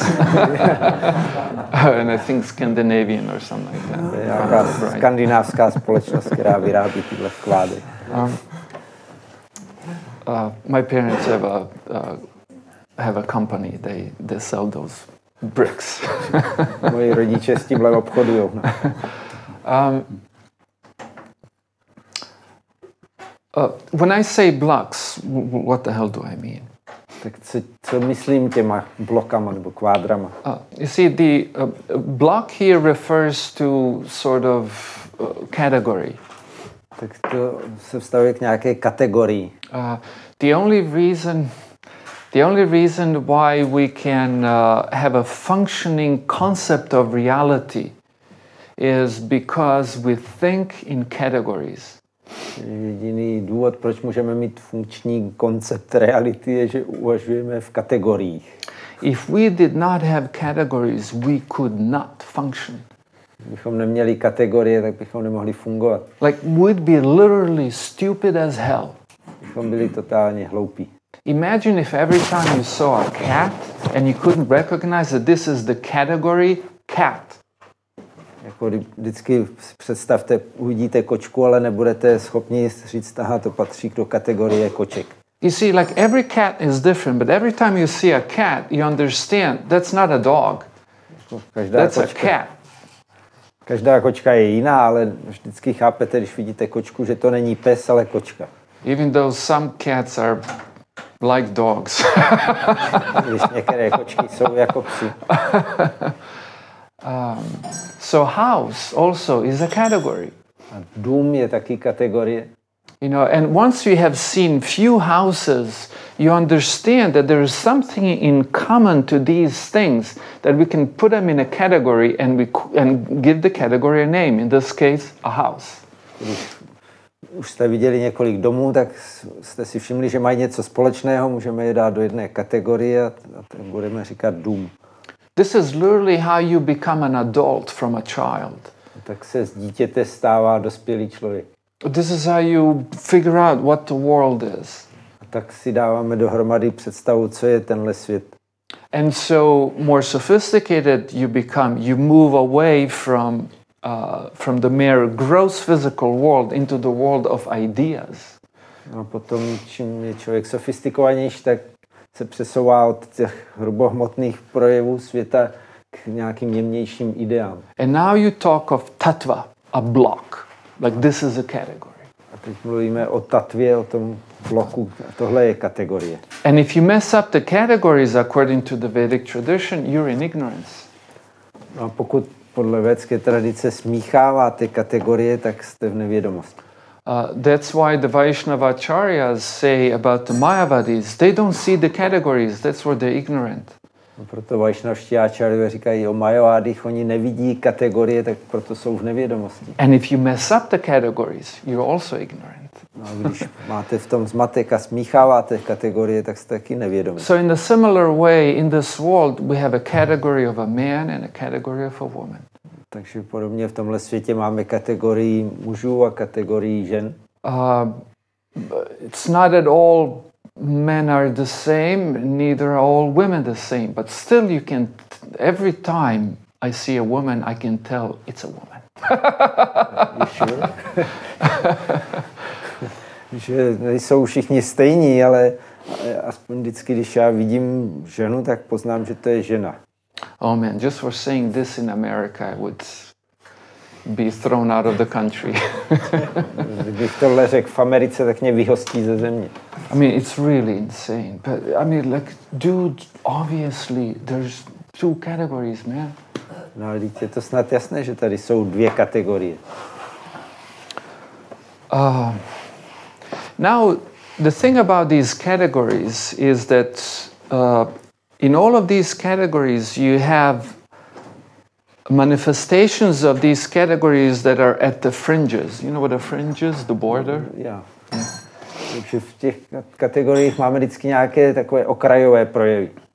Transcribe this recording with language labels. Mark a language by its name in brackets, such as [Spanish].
[English] And I think Scandinavian or something like that. [Czech] Skandinávská společnost, která vyrábí tyhle kvádry. [English] My parents have a company. They sell those bricks. [Czech] Moji rodiče s tímhle obchodujou. [English] When I say blocks, what the hell do I mean? [Czech] Tak co myslím těma blokama nebo kvádrama? [English] You see, the block here refers to sort of category. [Czech] Tak to se vztahuje k nějaké kategorii. [English] The only reason why we can have a functioning concept of reality is because we think in categories. [Czech] Jediný důvod, proč můžeme mít funkční koncept reality, je, že uvažujeme v kategoriích. [English] If we did not have categories, we could not function. [Czech] Kdybychom neměli kategorie, tak bychom nemohli fungovat. [English] Like we'd be literally stupid as hell. [Czech] Bychom byli totálně hloupí. [English] Imagine if every time you saw a cat and you couldn't recognize that this is the category cat. [Czech] Jako vždycky představte, uvidíte kočku, ale nebudete schopni říct, aha, to patří do kategorie koček. [English] You see, like every cat is different, but every time you see a cat, you understand, that's not a dog, that's a cat. [Czech] Každá kočka je jiná, ale vždycky chápete, když vidíte kočku, že to není pes, ale kočka. [English] Even though some cats are like dogs. [Czech] Když některé kočky jsou jako psi. [English] So house also is a category. [Czech] A dům je taky kategorie. [English] You know, and once you have seen few houses, you understand that there is something in common to these things that we can put them in a category and give the category a name. In this case, a house. [Czech] Už jste viděli několik domů, tak jste si všimli, že mají něco společného, můžeme je dát do jedné kategorie a budeme říkat dům. [English] This is literally how you become an adult from a child. [Czech] Tak se z dítěte stává dospělý člověk. [English] This is how you figure out what the world is. [Czech] A tak si dáváme dohromady představu, co je tenhle svět. [English] And so more sophisticated you become, you move away from the mere gross physical world into the world of ideas. [Czech] A potom čím je člověk sofistikovanější, tak se přesouvá od těch hrubohmotných projevů světa k nějakým jemnějším ideám. [English] And now you talk of tattva, a block. Like this is a category. [Czech] A teď mluvíme o tattvě, o tom bloku. A tohle je kategorie. [English] And if you mess up the categories according to the Vedic tradition, you're in ignorance. [Czech] A pokud podle vědecké tradice smícháváte kategorie, tak jste v nevědomosti. [English] That's why the Vaishnava Acharyas say about the Mayavadis, they don't see the categories, that's where they're ignorant. [Czech] Proto Vaishnavští Acharyové říkají o Mayavadích, oni nevidí kategorie, tak proto jsou v nevědomosti. [English] And if you mess up the categories, you're also ignorant. [Czech] No, když máte v tom zmatek a smícháváte kategorie, tak jste taky nevědomí. [English] So in a similar way, in this world, we have a category of a man and a category of a woman. [Czech] Takže podobně v tomhle světě máme kategorii mužů a kategorii žen. [English] It's not at all men are the same, neither are all women the same, but still you can every time I see a woman I can tell it's a woman. Are you sure? [Czech] Že nejsou všichni stejní, ale Ale aspoň vždycky, když já vidím ženu, tak poznám, že to je žena. [English] Oh man, just for saying this in America, I would be thrown out of the country. [Czech] Když tohle řekl v Americe, tak mě vyhostí ze země. [English] I mean, it's really insane. But I mean, like, dude, obviously, there's two categories, man. [Czech] No, ale je to snad jasné, že tady jsou dvě kategorie. [English] Now, the thing about these categories is that in all of these categories, you have manifestations of these categories that are at the fringes. You know what a fringe is? The border? Yeah. [Czech] V těch kategoriích máme vždycky nějaké takové okrajové projevy.